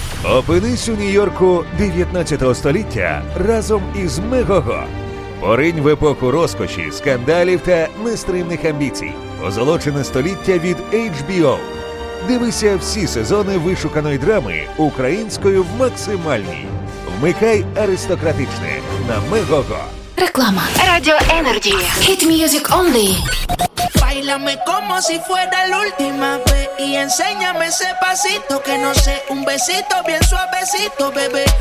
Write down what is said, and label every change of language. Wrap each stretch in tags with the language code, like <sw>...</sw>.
<uk>Опинись у Нью-Йорку 19 століття разом із Мегого. Поринь в епоху розкоші, скандалів та нестримних амбіцій. Озолочене століття від HBO. Дивися всі сезони вишуканої драми українською в максимальній. Вмикай аристократичне на Мегого. Реклама.</uk> <en>Radio Energy. Hit music only.</en> <es>Báilame como si fuera la última vez y enséñame ese pasito que no sé, un besito bien suavecito, bebé.</es>